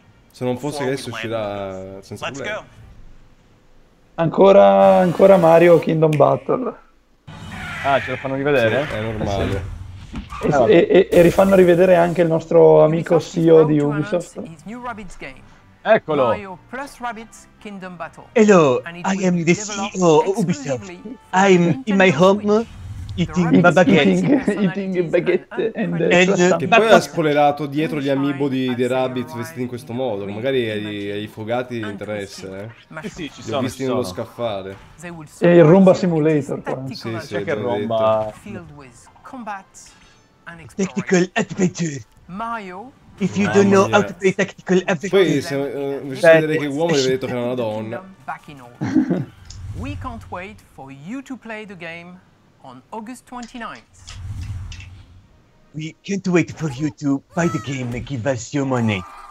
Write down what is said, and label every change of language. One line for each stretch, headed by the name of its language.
Italian: Se non fosse che adesso uscirà senza problemi. Ancora Mario Kingdom Battle. Ah, ce lo fanno rivedere? Sì, è normale. E rifanno rivedere anche il nostro amico CEO di Ubisoft. Eccolo!
English: Hello, I am the CEO of Ubisoft. I'm in my home eating my baguette. Eating baguette and
Italian: che poi ha spoilerato dietro gli amiibo di The Rabbids vestiti in questo modo. Magari ai fogati interessa, Sì, ci sono. Vestiti nello scaffale. È il Roomba Simulator. Sì, sì, che Roomba.
English: Tactical adventure. Mario, if you don't know how to play tactical adventure.
Italian: Poi vedere che uomo gli ha detto che era una donna.
English: We can't wait for you to play the game on August 29th. We can't wait for you to buy the game and give us your money.